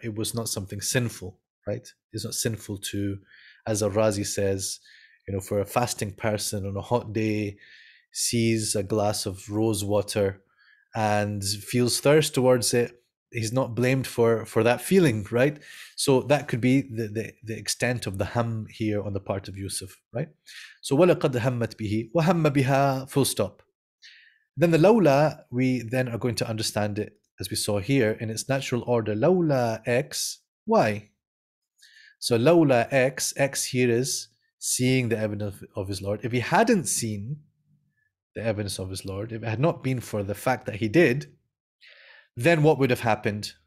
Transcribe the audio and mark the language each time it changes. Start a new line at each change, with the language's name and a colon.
English: It was not something sinful, right? It's not sinful to, as Al-Razi says, you know, for a fasting person on a hot day, sees a glass of rose water and feels thirst towards it, he's not blamed for that feeling, right? So that could be the extent of the ham here on the part of Yusuf, right?
Arabic: So وَلَقَدْ هَمَّتْ بِهِ وَهَمَّ بِهَا
English: full stop. Then the لَوْلَا, we then are going to understand it as we saw here in its natural order. لَوْلَا X, Y. So لَوْلَا X, X here is seeing the evidence of his Lord. If he hadn't seen the evidence of his Lord, if it had not been for the fact that he did, then what would have happened?